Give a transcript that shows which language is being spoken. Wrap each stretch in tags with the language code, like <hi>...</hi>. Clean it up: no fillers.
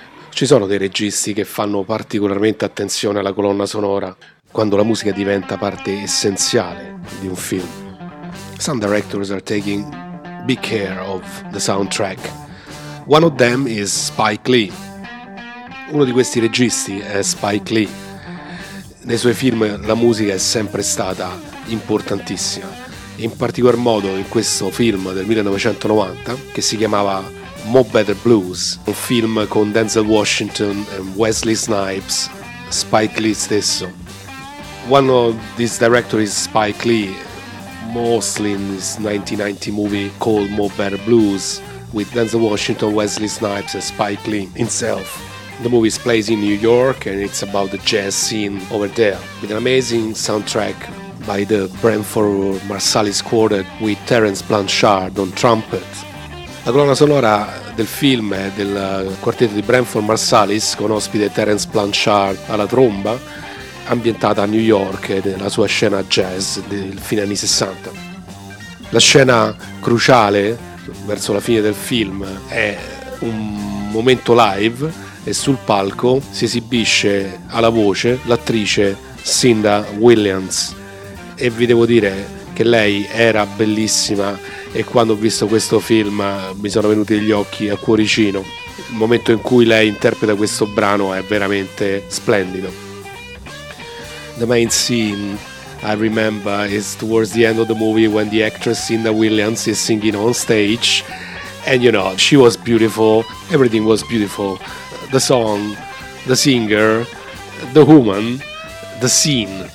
<it>Ci sono dei registi che fanno particolarmente attenzione alla colonna sonora quando la musica diventa parte essenziale di un film.</it> <en>Some directors are taking big care of the soundtrack. One of them is Spike Lee.</en> <it>Uno di questi registi è Spike Lee. Nei suoi film la musica è sempre stata importantissima. In particolar modo in questo film del 1990 che si chiamava Mo Better Blues, un film con Denzel Washington e Wesley Snipes, Spike Lee stesso.</it> <en>One of these directors is Spike Lee, mostly in his 1990 movie called Mo Better Blues with Denzel Washington, Wesley Snipes and Spike Lee himself. The movie is plays in New York and it's about the jazz scene over there with an amazing soundtrack by the Branford Marsalis Quartet with Terence Blanchard on trumpet.</en> <it>La colonna sonora del film è del quartetto di Branford Marsalis con ospite Terence Blanchard alla tromba, ambientata a New York e nella sua scena jazz del fine anni 60. La scena cruciale verso la fine del film è un momento live e sul palco si esibisce alla voce l'attrice Cinda Williams. E vi devo dire che lei era bellissima e quando ho visto questo film mi sono venuti gli occhi a cuoricino. Il momento in cui lei interpreta questo brano è veramente splendido.</it> <en>The main scene I remember is towards the end of the movie when the actress Cinda Williams is singing on stage and you know, she was beautiful, everything was beautiful. The song, the singer, the woman, the scene.</en>